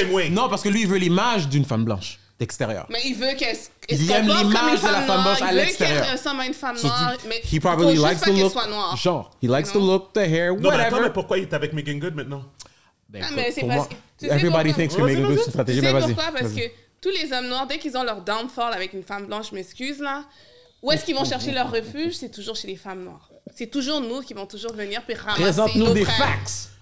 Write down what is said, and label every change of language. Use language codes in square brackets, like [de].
[fr] Non, parce que lui, il veut l'image d'une femme blanche d'extérieur. Mais il veut qu'elle soit comme l'image de la femme blanche à l'extérieur. Il veut qu'elle ressemble à une femme noire. Mais il [en] probably [fr] faut juste [en] likes [fr] pas qu'elle soit noire. Genre, [en] he likes the look, the hair, whatever. [fr] Non, mais pourquoi il est avec Megan Good maintenant? Non, mais c'est parce que... [en] Everybody thinks [fr] que Megan Good est une stratégie, mais vas-y. Pourquoi? Parce que tous les hommes noirs, dès qu'ils ont leur downfall avec une femme blanche, m'excuse là... Où est-ce qu'ils vont chercher leur refuge? C'est toujours chez les femmes noires. C'est toujours nous qui vont toujours venir puis ramasser. Présente-nous des facts!